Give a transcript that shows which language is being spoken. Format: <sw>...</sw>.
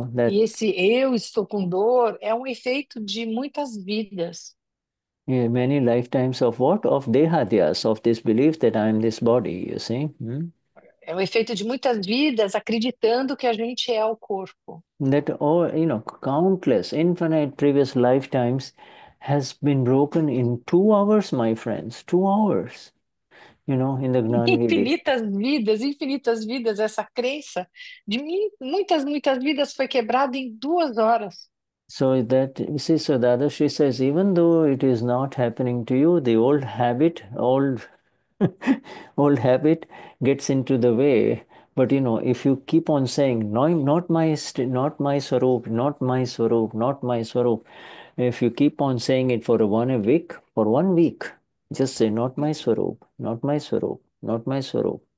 <pt>E esse eu estou com dor é um efeito de muitas vidas.</pt> <en>Many lifetimes of what? Of dehadias, of this belief that I'm this body, you see.</en> <pt>É um efeito de muitas vidas acreditando que a gente é o corpo.</pt> <en>That all, countless, infinite previous lifetimes has been broken in 2 hours, my friends, 2 hours, in the Gnani Vidhi.</en> <pt>Infinitas vidas, essa crença de muitas vidas foi quebrada em 2 horas.</pt> <en>So that, you see, so the other, she says, even though it is not happening to you, the old habit, old habit gets into the way. But if you keep on saying, no, not my Swaroop, not my Swaroop, not my Swaroop, if you keep on saying it for 1 week, just say, not my Swaroop, not my Swaroop, not my Swaroop.</en>